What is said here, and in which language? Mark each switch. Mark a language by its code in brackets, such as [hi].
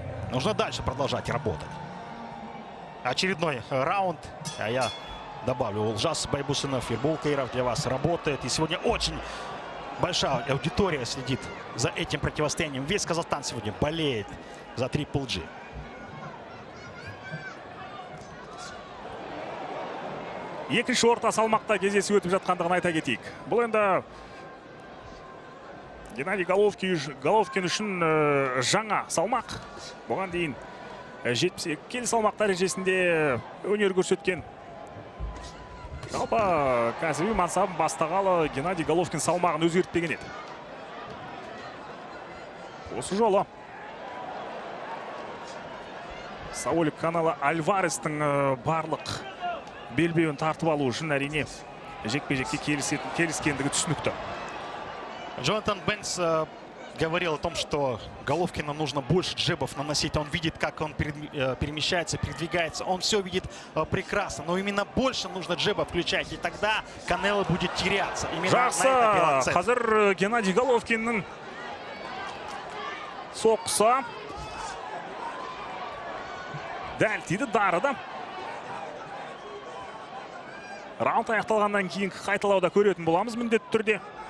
[ru] Нужно дальше продолжать работать. Очередной раунд, а я добавлю, Улжас Байбусинов, Ербул Каиров для вас работает. И сегодня очень большая аудитория следит за этим противостоянием. Весь Казахстан сегодня болеет за Triple G. [kk] Екінші орта салмақта кездесу өтіп жатқандығын айта кетейік. Бұл енді Геннадий Головкин үшін жаңа салмақ. Бұған дейін 72 келі салмақ дәрежесінде өнер көрсеткен. Жалпы кәсіби мансабын бастағалы Геннадий Головкин салмағын өзгертпеген еді. Осы жолы Сауль Канело Альварестың барлық белбеуін тартып алу үшін әрине жекпе-жекке келіскендігі түсінікті. [ru] Джонатан Бенкс говорил о том, что Головкину нужно больше джебов наносить. Он видит, как он перемещается, передвигается. Он все видит прекрасно. Но именно больше нужно джебов включать. И тогда Канело будет теряться. Именно [kk] жақсы. Қазір Геннадий Головкиннің соққысы. Дәл тиді, дарыды. Раунд аяқталғаннан кейін қайталауда көретін боламыз міндетті түрде.